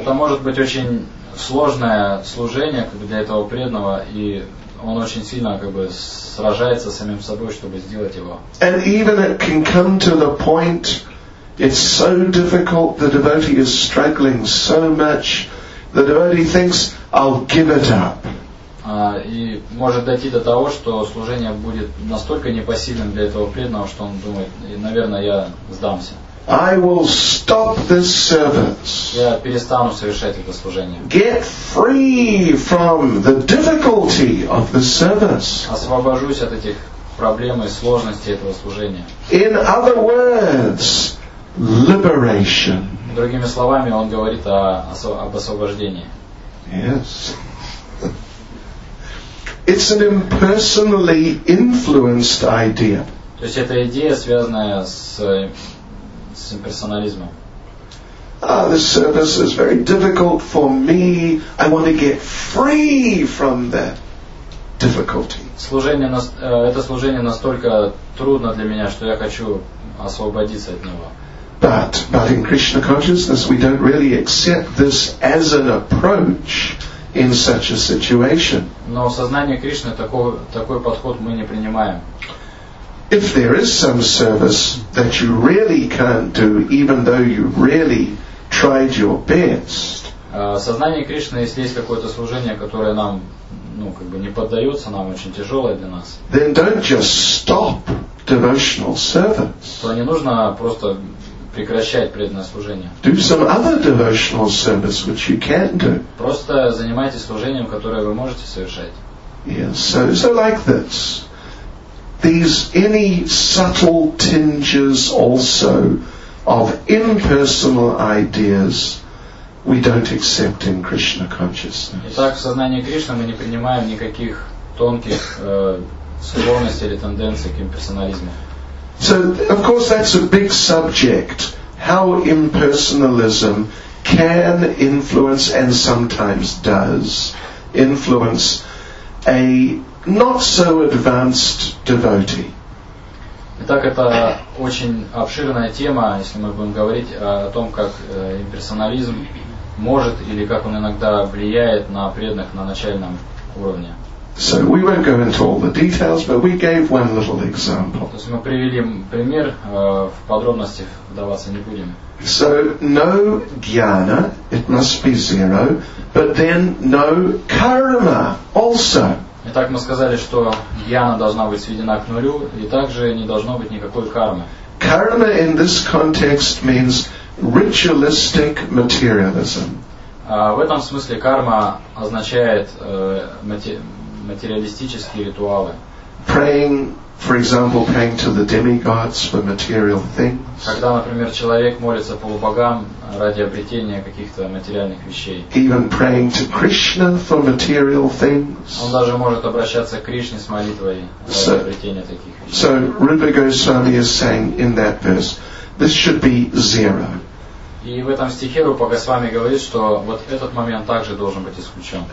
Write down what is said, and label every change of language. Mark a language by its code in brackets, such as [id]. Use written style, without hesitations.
[ru] Это может быть очень сложное служение для этого преданного, и он очень сильно сражается с самим собой, чтобы сделать его. [en] And even it can come to the point, it's so difficult, the devotee is struggling so much, the devotee thinks, I'll give it up. [ru] И может дойти до того, что служение будет настолько непосильным для этого преданного, что он думает, наверное, я сдамся. [en] I will stop this service. [ru] Я перестану совершать это служение. [en] Get free from the difficulty of the service. [ru] Освобожусь от этих проблем и сложностей этого служения. [en] In other words, liberation. [ru] Другими словами, он говорит об освобождении. [en] Yes. It's an impersonally influenced idea. [ru] То есть это идея, связанная с имперсонализмом. [en] This service is very difficult for me. I want to get free from that difficulty. [ru] Это служение настолько трудно для меня, что я хочу освободиться от него. [en] But in Krishna consciousness, we don't really accept this as an approach in such a situation. [ru] Но в сознании Кришны такой подход мы не принимаем. [en] If there is some service that you really can't do, even though you really tried your best. [ru] Сознание Кришны, если есть какое-то служение, которое нам, не поддается, нам очень тяжелое для нас. [en] Then don't just stop devotional service. [ru] То не нужно просто прекращать преданное служение. [en] Do some other devotional service which you can do. [ru] Просто занимайтесь служением, которое вы можете совершать. [en] Yes, so like this. These any subtle tinges also of impersonal ideas we don't accept in Krishna consciousness. [ru] Итак, в сознании Кришны мы не принимаем никаких тонких склонностей или тенденций к имперсонализму. [en] So, of course, that's a big subject, how impersonalism can influence, and sometimes does, influence a not-so-advanced devotee. [ru] Итак, это очень обширная тема, если мы будем говорить о том, как имперсонализм может или как он иногда влияет на преданных на начальном уровне. [en] So we won't go into all the details, but we gave one little example. [ru] То есть мы привели пример, в подробности вдаваться не будем. [en] So no jnana, it must be zero, but then no karma also. [ru] Итак, мы сказали, что джняна должна быть сведена к нулю, и также не должно быть никакой кармы. [en] Karma in this context means ritualistic materialism. [ru] В этом смысле карма означает материалистические ритуалы. [en] Praying, for example, praying to the demigods for material things. [ru] Когда, например, человек молится полубогам ради обретения каких-то материальных вещей. [en] Even praying to Krishna for material things. [ru] Он даже может обращаться к Кришне с молитвой за обретение таких вещей. [en] So Rupa Goswami is saying in that verse, this should be zero. [ru] И в этом стихе Рупа Госвами говорит, что вот этот момент также должен быть исключен.